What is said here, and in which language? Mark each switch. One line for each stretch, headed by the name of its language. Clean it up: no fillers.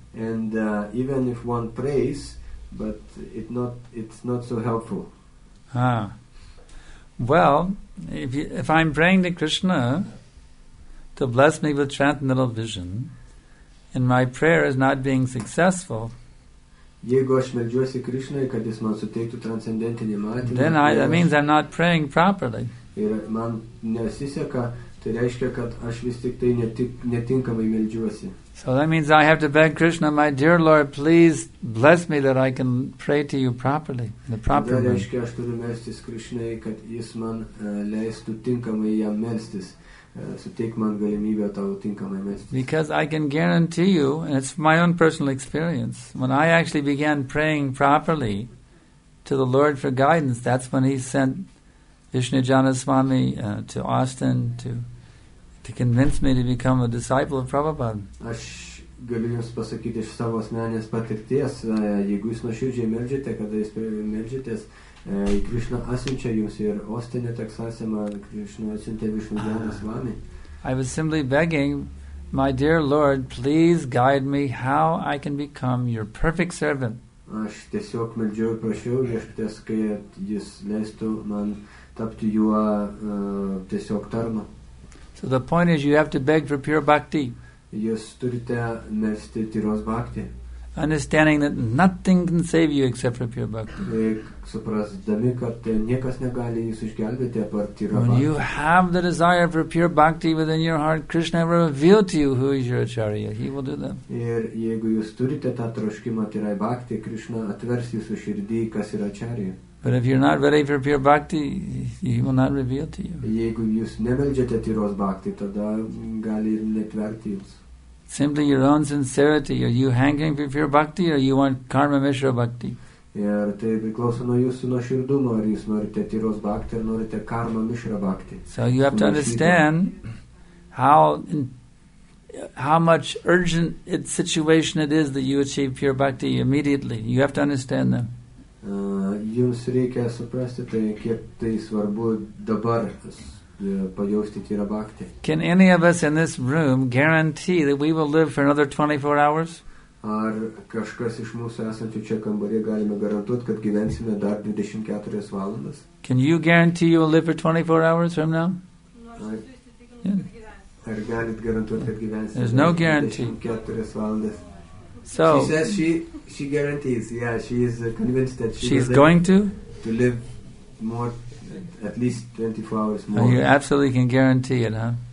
English: And even if one prays, but it's not so helpful. Ah. Well, if I'm praying to Krishna to bless me with transcendental vision, and my prayer is not being successful,
Lithuanian: jeigu aš meldžiuosi Krishnai, kad jis man suteiktų transcendentinį matymą,
English: then that means I'm not praying properly.
Lithuanian: Ir man nesiseka, tai reiškia, kad aš vis tik tai netinkamai meldžiuosi.
English: So that means I have to beg Krishna, my dear Lord, please bless me that I can pray to you properly, in the proper way.
Lithuanian: Reiškia, aš turiu melstis Krishnai, kad jis man leistų tinkamai jam melstis. Suteik man galimybę tau tinkamai melstis.
English: Because I can guarantee you, and it's my own personal experience, when I actually began praying properly to the Lord for guidance, that's when he sent Vishnujana Swami to Austin to convince me to become a disciple of Prabhupada.
Lithuanian: Aš galiu jums pasakyti iš savo asmeninės patirties, jeigu jūs nuoširdžiai meldžiate, kada jūs meldžiatės, Krishna atsiunčia jums ir Austin'e, Texas'e, Krishna atsiuntė Vishnujana Swami.
English: I was simply begging, my dear Lord, please guide me how I can become your perfect servant.
Lithuanian: Aš tiesiog meldžiau ir prašiau, Viešpaties, kad jis leistų man tapti juo tiesiog tarnu.
English: So the point is you have to beg for pure bhakti.
Lithuanian: Jūs turite melsti tyros bhakti.
English: Understanding that nothing can save you except for pure bhakti.
Lithuanian: Suprasdami, kad niekas negali jūs išgelbėti apart tyra bhakti.
English: When you have the desire for pure bhakti within your heart, Krishna will reveal to you who is your acharya. He will do that.
Lithuanian: Ir jeigu jūs turite tą troškimą tyrai bhakti, Krishna atvers jūsų širdį, kas yra acharya.
English: But if you're not ready for pure bhakti, he will not reveal to you.
Lithuanian: Jeigu jūs nemeldžiate tyros bhakti, tada gali ir netverti jums.
English: Simply your own sincerity. Are you hankering for pure bhakti or you want karma mishra bhakti?
Lithuanian: Ir tai priklauso nuo jūsų nuoširdumo, ar jūs norite tyros bhakti ar norite karma mishra bhakti.
English: So you have to understand how much urgent it situation it is that you achieve pure bhakti immediately. You have to understand that.
Lithuanian: Jums reikia suprasti tai, kiek tai svarbu dabar pajausti tyrą bhakti.
English: Can any of us in this room guarantee that we will live for another 24 hours?
Lithuanian: Ar kažkas iš mūsų esančių čia kambarį galime garantuoti, kad gyvensime dar 24 valandas?
English: Can you guarantee you will live for 24 hours from now?
Lithuanian: Ar galit garantuoti, kad gyvensime?
English: There's no guarantee.
Lithuanian: 24 valandas.
English: So she says she guarantees. Yeah, she is convinced that she she's going to live more, at least 24 hours more. And you absolutely can guarantee it, huh?